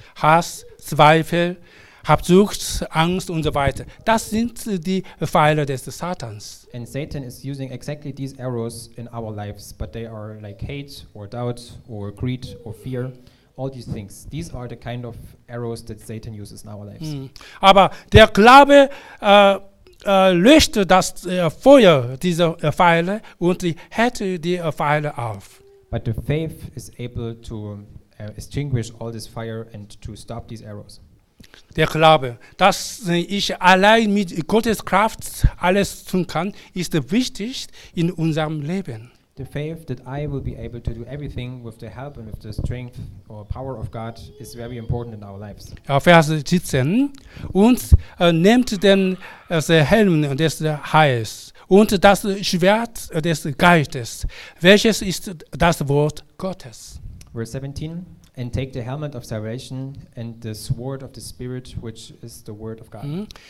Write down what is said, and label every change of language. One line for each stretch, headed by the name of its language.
German: Hass, Zweifel, Habsucht, Angst und so weiter. Das sind die Pfeile des Satans.
English: And Satan is using exactly these arrows in our lives, but they are like hate or doubt or greed or fear. All these things. These are the kind of arrows that Satan uses in our lives.
German: Aber der Glaube löscht das Feuer dieser Pfeile und hält die Pfeile auf.
English: But the faith is able to extinguish all this fire and to stop these arrows.
German: Der Glaube, dass ich allein mit Gottes Kraft alles tun kann, ist wichtig in unserem Leben.
English: The faith that I will be able to do everything with the help and with the strength or power of God is very important in our lives.
German: Ja, Vers 17. Und nehmt den Helm des Heils und das Schwert des Geistes, welches ist das Wort Gottes.
English: Verse 17. And take the helmet of salvation and the sword of the Spirit, which is the word of God.